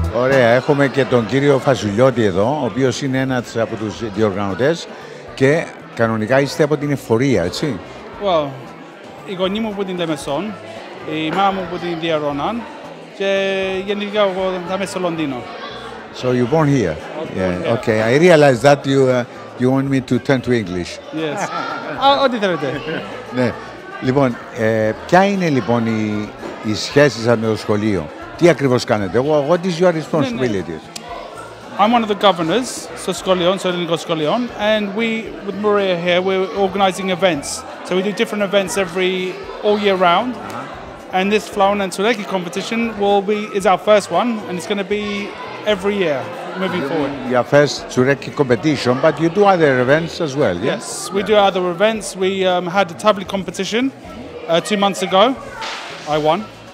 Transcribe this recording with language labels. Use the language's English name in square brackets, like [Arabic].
[Greek] έχουμε και τον κύριο Φασουλιώτη εδώ, ο οποίος είναι ένας από τους διοργανωτές και κανονικά είστε από την εφορία, έτσι. Well, η γονή μου από την Λεμεσόν, η μάμα μου από την Διαρώναν και γενικά εγώ θα είμαι στο Λονδίνο. [English] So you're born here. Yeah. Okay, I realize that you want me to turn to English. Yes. [Greek] Ό,τι θέλετε. Ναι. Λοιπόν, ποια είναι λοιπόν η σχέση σας με το σχολείο? Τι ακριβώς κάνετε? [English] What is your responsibility? I'm one of the governors [Greek] στο σχολείο, στο ελληνικό σχολείο, [English] and we, with Maria here, we're organizing events. So we do different events every all year round. Uh-huh. And this Flaun and Tsuleki competition is our first one, and it's going to be every year moving forward. Your first Tsuleki competition, but you do other events as well, yeah? Yes, we do other events. We had a tablet competition 2 months ago. I won.